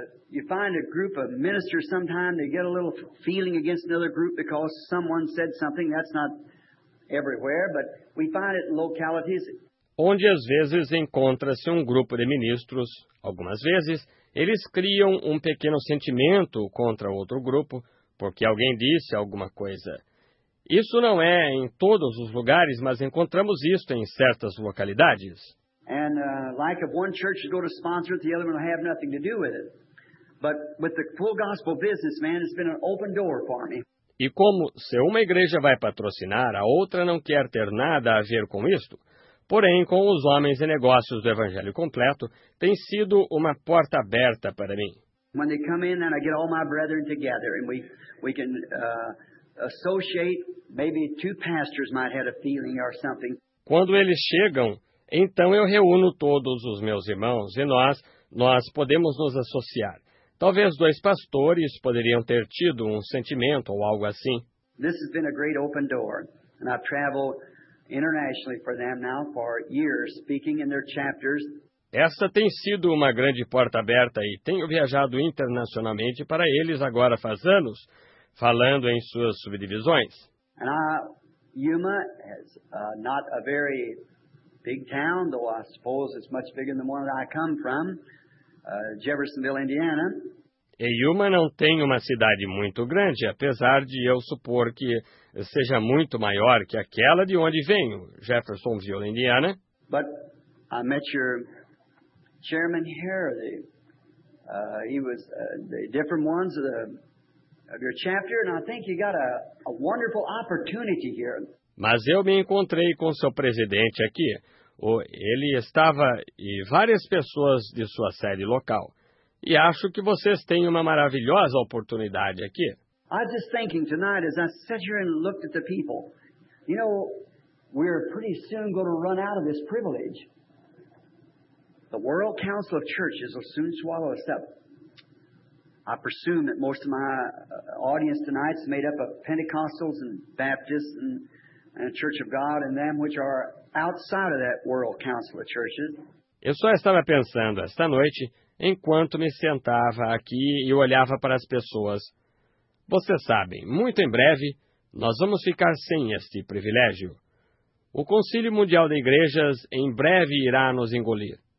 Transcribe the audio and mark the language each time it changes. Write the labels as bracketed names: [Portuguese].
[English] You find a group of ministers sometimes, they get a little feeling against another group because someone said something. That's not everywhere, but we find it in localities. [Portuguese] Onde às vezes encontra-se grupo de ministros, algumas vezes, eles criam pequeno sentimento contra outro grupo porque alguém disse alguma coisa. Isso não é em todos os lugares, mas encontramos isto em certas localidades. [English] And like if one church go to sponsor it, the other one will have nothing to do with it. But with the full gospel businessman, it's been an open door for me. [Portuguese] E como se uma igreja vai patrocinar, a outra não quer ter nada a ver com isto. Porém, com os homens e negócios do Evangelho Completo, tem sido uma porta aberta para mim. [English] When they come in, then I get all my brethren together, and we can associate, maybe two pastors might have a feeling or something. [Portuguese] Quando eles chegam, então eu reúno todos os meus irmãos, e nós podemos nos associar. Talvez dois pastores poderiam ter tido um sentimento ou algo assim. [English] This has been a great open door, and I've traveled internationally for them now for years, speaking in their chapters. [Portuguese] Esta tem sido uma grande porta aberta e tenho viajado internacionalmente para eles agora faz anos, falando em suas subdivisões. [English] Yuma is not a very big town, though I suppose it's much bigger than the one that I come from, Jeffersonville, Indiana. [Portuguese] E Yuma não tem uma cidade muito grande, apesar de eu supor que seja muito maior que aquela de onde venho, Jeffersonville, Indiana. [English] But I met your chairman here. He was the different ones of your chapter, and I think you got a wonderful opportunity here. [Portuguese] Mas eu me encontrei com seu presidente aqui. Ele estava e várias pessoas de sua sede local. E acho que vocês têm uma maravilhosa oportunidade aqui. [English] I was just thinking tonight as I sat here and looked at the people. You know, we're pretty soon going to run out of this privilege. The World Council of Churches will soon swallow us up. I presume that most of my audience tonight is made up of Pentecostals and Baptists and the Church of God and them which are outside of that World Council of Churches. [Portuguese] Eu só estava pensando esta noite, enquanto me sentava aqui e olhava para as pessoas. Vocês sabem, muito em breve, nós vamos ficar sem este privilégio. O Concílio Mundial de Igrejas em breve irá nos engolir.